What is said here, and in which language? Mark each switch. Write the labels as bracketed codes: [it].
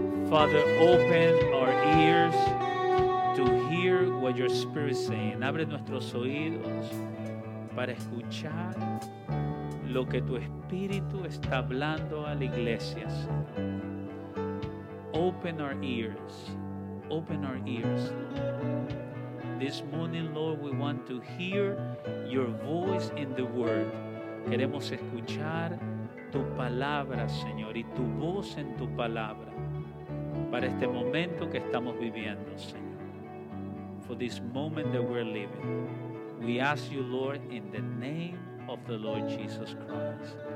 [en] Father, open our ears to hear what your Spirit is saying. [es] Abre nuestros oídos para escuchar lo que tu Espíritu está hablando a la iglesia. [en] Open our ears. Open our ears, Lord. This morning, Lord, we want to hear your voice in the Word. [es] Queremos escuchar tu palabra, Señor, y tu voz en tu palabra para este momento que estamos viviendo, Señor. [en] For this moment that we're living, we ask you, Lord, in the name of the Lord Jesus Christ.